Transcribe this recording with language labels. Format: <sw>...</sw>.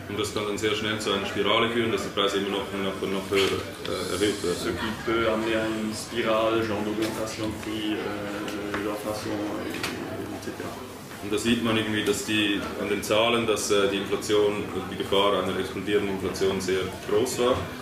<de>Und das kann dann sehr schnell zu einer Spirale führen, dass die Preise immer noch höher erhöht werden.</de> <fr>Ce qui peut amener à une spirale, genre d'augmentation de prix, l'inflation, etc.</fr> <de>Und da sieht man irgendwie, dass die an den Zahlen, dass die Inflation, die Gefahr einer explodierenden Inflation sehr groß war.</de>